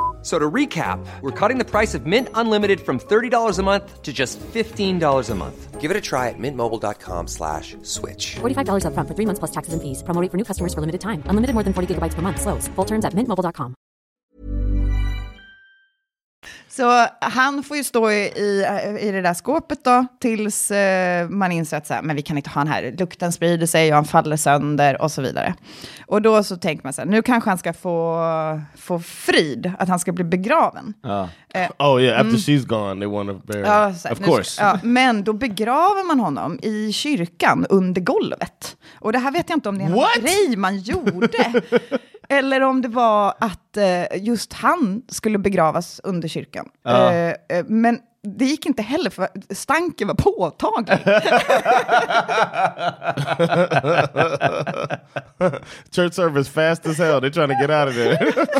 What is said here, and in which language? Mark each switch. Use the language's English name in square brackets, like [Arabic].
[English] So to recap, we're cutting the price of Mint Unlimited from $30 a month to just $15 a month. Give it a try at mintmobile.com/switch. $45 up front for 3 months plus taxes and fees. Promo rate for new customers for limited time. Unlimited more than 40 gigabytes per month. Slows full terms at mintmobile.com. [Swedish] Så han får ju stå i det där skåpet då, tills man inser att så här, men vi kan inte ha han här, lukten sprider sig och han faller sönder och så vidare. Och då så tänker man så här, nu kanske han ska få frid, att han ska bli begraven. [English] After she's gone, they want to bury him. Of course. [Swedish] Men då begraver man honom i kyrkan under golvet. Och det här vet jag inte om det är en grej man gjorde. Eller om det var att just han skulle begravas under kyrkan. Men det gick inte heller, för stanken var påtaglig. [English] Church service fast as hell. They're trying to get out of there.